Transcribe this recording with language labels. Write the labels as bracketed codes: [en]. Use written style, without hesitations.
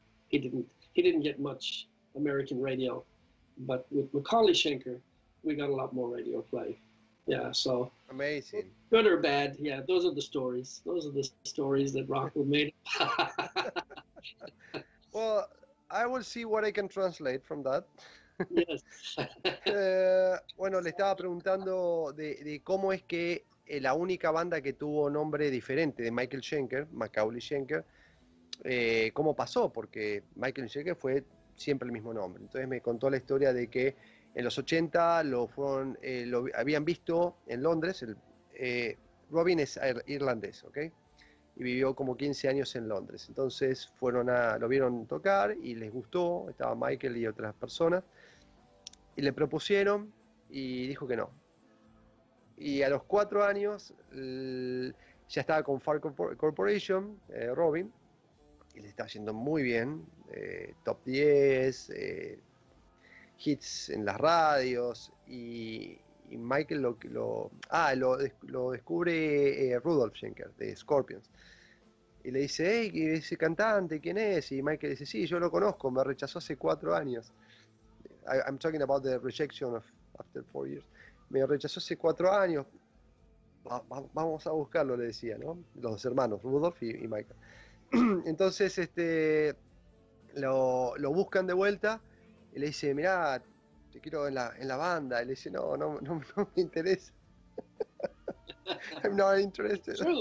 [en] He didn't get much American radio, but with Macaulay Schenker we got a lot more radio play. Yeah, so amazing. Good or bad, yeah, those are the stories. Those are the stories that rock were made. Well, I will see what I can translate from that. Yes. [es] Bueno, le estaba preguntando de cómo es que la única banda que tuvo nombre diferente de Michael Schenker, Macaulay Schenker, ¿cómo pasó? Porque Michael Schenker fue siempre el mismo nombre. Entonces me contó la historia de que en los 80 lo habían visto en Londres. Robin es irlandés, ¿ok? Y vivió como 15 años en Londres. Entonces lo vieron tocar y les gustó. Estaba Michael y otras personas. Y le propusieron y dijo que no. Y a los 4 años ya estaba con Far Corporation, Robin, y le estaba yendo muy bien, top 10, hits en las radios, y Michael lo descubre Rudolf Schenker, de Scorpions, y le dice, hey, ese cantante, ¿quién es? Y Michael dice, sí, yo lo conozco, me rechazó hace 4 años. [en] I'm talking about the rejection of after 4 years. [es] Me rechazó hace 4 años, vamos a buscarlo, le decía, ¿no? Los hermanos, Rudolf y Michael. Entonces, lo buscan de vuelta, y le dice, mirá, te quiero en la banda. Y le dice, no me interesa. [en] I'm not interested.